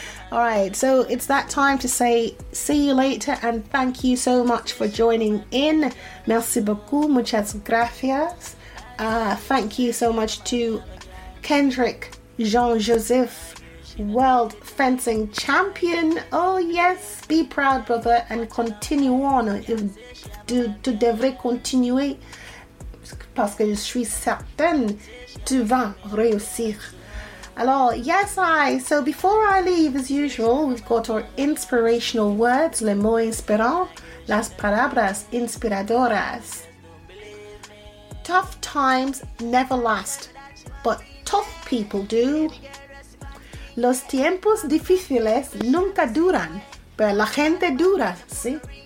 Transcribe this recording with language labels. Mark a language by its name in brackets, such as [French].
[English] All right, so it's that time to say see you later and thank you so much for joining in. [French] Merci beaucoup, [Spanish] muchas gracias. [English] Thank you so much to Kendrick Jean-Joseph, world fencing champion. Oh yes, be proud, brother, and continue on. [French] Tu devrais continuer parce que je suis certaine tu vas réussir. [English] Alors, yes, so before I leave, as usual, we've got our inspirational words, [French] les mots inspirants, [Spanish] las palabras inspiradoras. [English] Tough times never last, but tough people do. [Spanish] Los tiempos difíciles nunca duran, pero la gente dura, ¿sí?